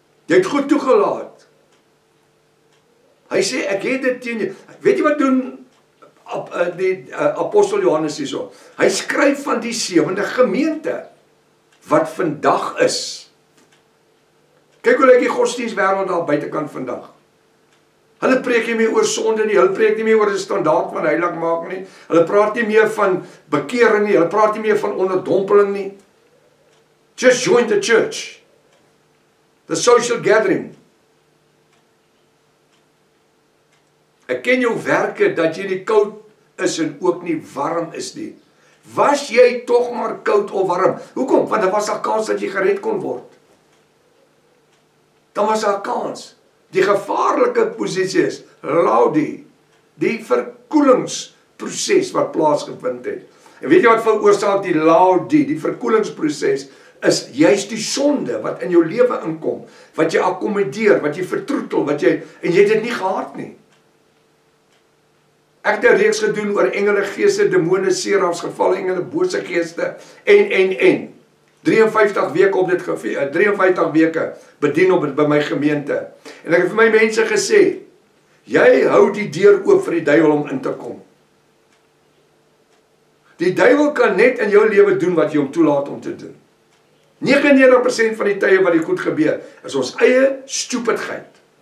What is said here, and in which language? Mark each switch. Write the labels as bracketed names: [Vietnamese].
[Afrikaans] Jy het goed toegelaat. Hy sê, ek het dit teen jou. Weet jy wat doen die apostel Johannes hier so? Hy skryf van die sewende gemeente wat vandag is. Kijk hoe lyk die godsdienst wereld al buitenkant vandag. Hulle preek nie meer oor sonde nie, hulle preek nie meer oor die standaard van heilig maak nie, hulle praat nie meer van bekering nie, hulle praat nie meer van onderdompeling nie. [English] Just join the church. The social gathering. [Afrikaans] Ek ken jou werke dat jy nie koud is en ook nie warm is nie. Was jy toch maar koud of warm? Hoekom? Want daar was al kans dat jy gered kon word. Dan was daar kans. Die gevaarlike posiesie is, Laodi, die verkoelingsproces wat plaasgevind het. En weet jy wat veroorsaak die Laodi, die verkoelingsproces, is juist die sonde wat in jou leven inkom, wat jy akkommodeer, wat jy vertroetel, wat jy, en jy het dit nie gehad nie. Ek het 'n reeks gedoen oor engele geeste, demone, serafs, geval engele, bose geeste, en. 53 weke op dit gevee, 53 weke bedien op dit by my gemeente. En ek het vir my mense gesê, jy hou die deur oop vir die duivel om in te kom. Die duivel kan net in jou leven doen wat jy hom toelaat om te doen. 99% van die tye wat die goed gebeur, is ons eie stupidheid.